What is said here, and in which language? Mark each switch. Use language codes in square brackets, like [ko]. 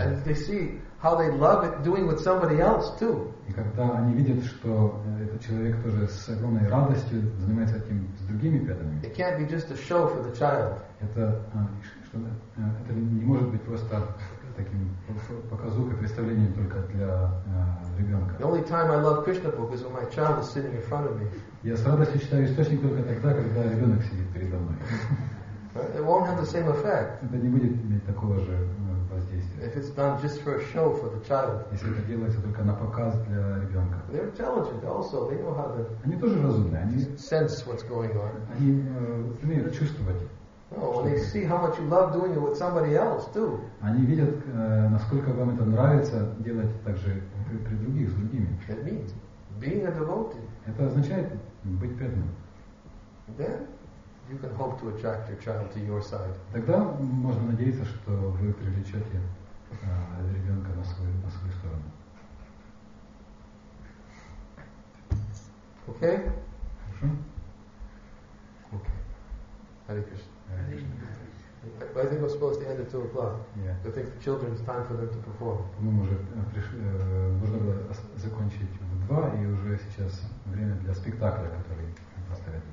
[en] And they see how they love it doing with somebody else too. [ru] И когда они видят, что этот человек тоже с огромной радостью занимается этим с другими преданными. [en] It can't be just a show for the child. [ru] Это не может быть просто таким показухой, представлением только для ребенка. [en] The only time I love Krishna book is when my child is sitting in front of me. [ru] Я с радостью читаю источник только тогда, когда ребенок сидит передо мной. [en] It won't have the same effect. [ru] Это не будет иметь такого же воздействия. [en] If it's done just for a show for the child. [ru] Если это делается только на показ для ребенка. [en] They're intelligent also. They know how to. [ru] Они тоже разумные. Они [en] sense what's going on. [ru] Они умеют чувствовать. [en] Oh, and they see how much you love doing it with somebody else too. [ru] Они видят, насколько вам это нравится делать также при других, с другими. [en] That means being a devotee. [ru] Это означает быть преданным. [en] Then you can hope to attract your child to your side. [ru] Тогда можно надеяться, что вы привлечете ребенка на свою сторону. [en] Okay? [ru] Хорошо. [en] Okay. Hare Krishna. I think we're supposed to end at 2:00. Yeah. I think the children's time for them to perform. [ru] По-моему, уже можно было закончить в 2, и уже сейчас время для спектакля, который поставят.